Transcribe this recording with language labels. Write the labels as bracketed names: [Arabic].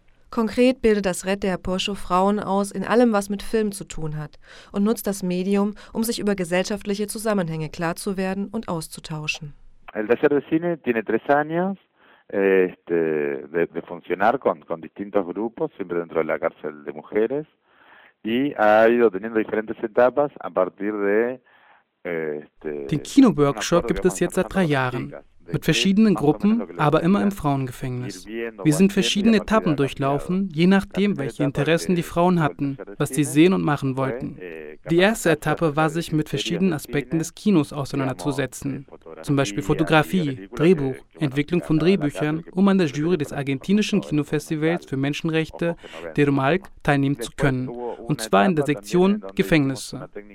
[German] Konkret bildet das Red de Apoyo Frauen aus in allem, was mit Film zu tun hat, und nutzt das Medium, um sich über gesellschaftliche Zusammenhänge klar zu werden und auszutauschen. [Spanish] El taller de cine tiene 3 años. De funcionar con distintos grupos, siempre dentro de la cárcel de mujeres, y ha ido teniendo diferentes etapas a partir de... [German] Den Kino-Workshop gibt es jetzt seit 3 Jahren. Mit verschiedenen Gruppen, aber immer im Frauengefängnis. Wir sind verschiedene Etappen durchlaufen, je nachdem, welche Interessen die Frauen hatten, was sie sehen und machen wollten. Die erste Etappe war, sich mit verschiedenen Aspekten des Kinos auseinanderzusetzen, zum Beispiel Fotografie, Drehbuch, Entwicklung von Drehbüchern, um an der Jury des argentinischen Kinofestivals für Menschenrechte, Derumalk, teilnehmen zu können, und zwar in der Sektion Gefängnisse.